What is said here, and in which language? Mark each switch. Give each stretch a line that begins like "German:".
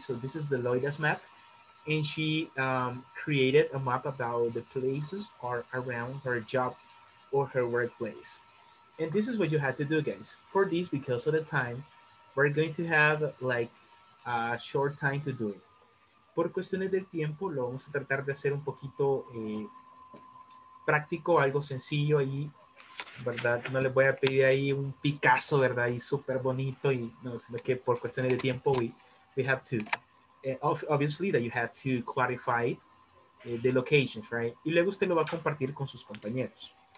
English: So this is the Loida's map, and she created a map about the places are around her job or her workplace. And this is what you had to do, guys. For this, because of the time, we're going to have like a short time to do it.
Spanish: Por cuestiones del tiempo, lo vamos a tratar de hacer un poquito práctico, algo sencillo ahí. ¿Verdad? No les voy a pedir ahí un Picasso, ¿verdad? Y súper bonito. Y no, sino que por cuestiones de tiempo,
English: we have to. Obviously, that you have to clarify the locations, right?
Spanish: Y luego usted lo va a compartir con sus compañeros.